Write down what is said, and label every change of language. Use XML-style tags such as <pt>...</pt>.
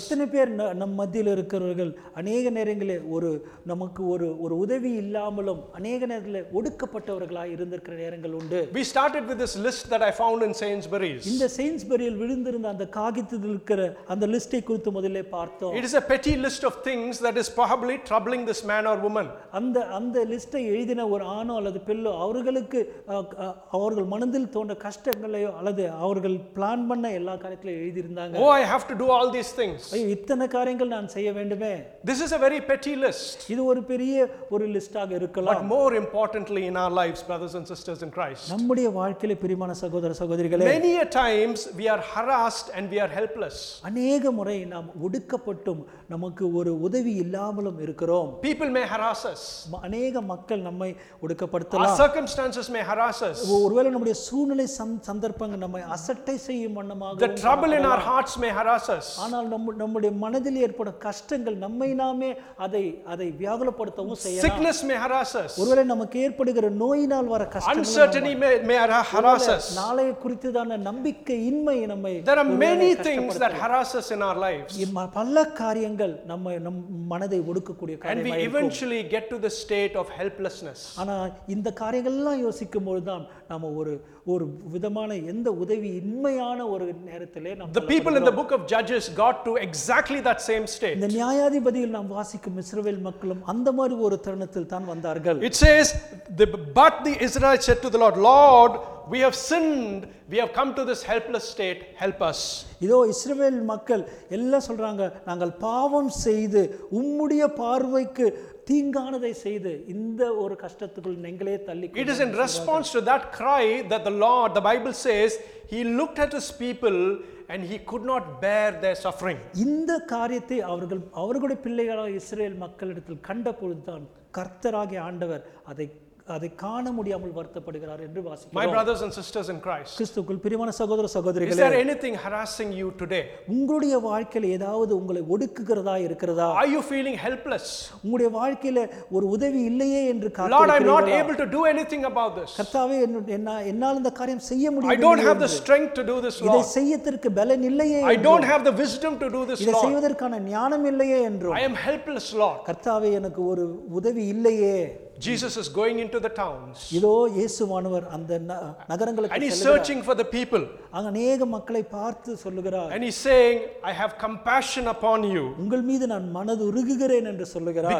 <ta>எத்தனை பேர் நம் மத்தியில் இருக்கிறவர்கள் அநேக நேரங்களில் நமக்கு ஒரு உதவி இல்லாமலும் அநேக நேரங்களில் ஒடுக்கப்பட்டவர்களாக இருந்திருக்கிற நேரங்கள் உண்டு.</ta> <en>We started with this list that I found in Sainsbury's.</en> <ta>இந்த சைன்ஸ்பரியில் விழுந்திருந்த அந்த காகிதத்தில் இருக்கிற அந்த லிஸ்டை குறித்து முதலே பார்த்தோம்.</ta> <en>It is a petty list of things that is probably troubling this man or woman.</en> <ta>அந்த லிஸ்டை எழுதின ஒரு ஆணோ அல்லது பெண்ணோ அவர்களுக்கு அவர்கள் மனதில் தோன்ற கஷ்டங்களையோ அல்லது அவர்கள் பிளான் பண்ண எல்லா காரியத்திலையும் எழுதியிருந்தாங்க.</ta> <en>Oh, I have to do all these things.</en> <ta>ஐயோ இத்தனை காரியங்கள் நான் செய்ய வேண்டுமே.</ta> <en>This is a very petty list.</en> <ta>இது ஒரு பெரிய ஒரு லிஸ்டாக இருக்கலாம்.</ta> <en>But more importantly in our lives, brothers and sisters in Christ.</en> <ta>நம்முடைய வாழ்க்கையிலே பிரியமான சகோதர சகோதரிகளே.</ta> <en>Many a times we are harassed and we are helpless.</en> <ta>அநேக முறை நாம் ஒடுக்கப்பட்டும் நமக்கு ஒரு உதவி இல்லாமலும் இருக்கிறோம்.</ta> <en>People may harass us.</en> <ta>அநேக மக்கள் நம்மை ஒடுக்கப்படுத்தலாம்.</ta> <en>Our circumstances may harass us.</en> <ta>ஒருவேளை நம்முடைய சூழ்நிலை சந்தர்ப்பங்கள் நம்மை அசட்டை செய்யும் வண்ணமாக.</ta> <en>The trouble in our hearts may harass us.</en> <ta>ஆனால் நம்முடைய மனதில் ஏற்படும் கஷ்டங்கள் நம்மை நாமே அதை வியாகுலப்படுத்தவும் செய்யலாம்.</ta> <en>Sickness may harass us.</en> <ta>ஒருவேளை நமக்கு ஏற்படுகிற நோயினால் வர கஷ்டங்கள்</ta> <en>uncertainty may harass us.</en> <ta>நாளை குறித்து தான நம்பிக்கை இன்மை நம்மை.</ta> <en>There are many things that harass us in our lives.</en> <ta>பல காரியங்கள் நம் மனதை ஒடுக்கக்கூடிய காரியமாக இருக்கும்.</ta> <en>And we eventually get to the state of helplessness.</en> <ta>ஆனால் இந்த காரியங்கள் எல்லாம் யோசிக்கும் போது தான் நாம ஒரு விதமான எந்த உதவி இன்மையான ஒரு நேரத்திலே நாம்</ta> <en>The people in the book of Judges got to exactly that same state.</en> <ta>இந்த நியாயாதிபதியில் நாம் வாசிக்கும் இஸ்ரவேல் மக்களும் அந்த மாதிரி ஒரு தருணத்தில் தான் வந்தார்கள்.</ta> <en>It says but the Israelites said to the Lord, Lord, we have sinned, we have come to this helpless state, help us.</en> <ta>இதோ இஸ்ரவேல் மக்கள் எல்லாம் சொல்றாங்க, நாங்கள் பாவம் செய்து உம்முடைய பார்வைக்கு தீங்கானதை செய்து இந்த ஒரு கஷ்டத்துக்குள் நெங்களே தள்ளி.</ta> <en>It is in response to that cry that the Lord, the Bible says, he looked at his people and he could not bear their suffering.</en> <ta>இந்த காரியத்தை அவர்களுடைய பிள்ளைகளாக இஸ்ரவேல் மக்களிடத்தில் கண்டபொழுதுதான் கர்த்தராகிய ஆண்டவர் அதை அதை காண முடியாமல் வருத்தப்படுகிறார் என்று வாசிக்கிறோம்.</ta> <en>My brothers and sisters in Christ.</en> <ta>கிறிஸ்துவுக்குள் பிரியமான சகோதர சகோதரிகளே.</ta> <en>Is there anything harassing you today?</en> <ta>உங்களுடைய வாழ்க்கையில் ஏதாவது உங்களை ஒடுக்குகிறதா இருக்கிறதா?</ta> <en>Are you feeling helpless?</en> <ta>உங்களுடைய வாழ்க்கையில் ஒரு உதவி இல்லையே என்று காத்திருக்கிறீர்களா?</ta> <en>Lord, I'm not able to do anything about this.</en> <ta>கர்த்தாவே, என்னால் இந்த காரியம் செய்ய முடியவில்லை.</ta> <en>I don't have the strength to do this, Lord.</en> <ta>இதை செய்யதற்கு பலன் இல்லையே.</ta> <en>I don't have the wisdom to do this, Lord.</en> <ta>இதை செய்வதற்கான ஞானம் இல்லையே என்றும்.</ta> <en>I am helpless, Lord.</en> <ta>கர்த்தாவே, எனக்கு ஒரு உதவி இல்லையே.</ta> <en>Jesus is going into the towns.</en> <ta>இதோ இயேசுவானவர் அந்த நகரங்களுக்கு செல்கிறார்.</ta> <en>And he's searching for the people.</en> <ta>அநேக மக்களை பார்த்து சொல்கிறார்.</ta> <en>And he's saying, I have compassion upon you.</en> <ta>உங்கள் மீது நான் மனதுருகுகிறேன் என்று சொல்கிறார்.</ta>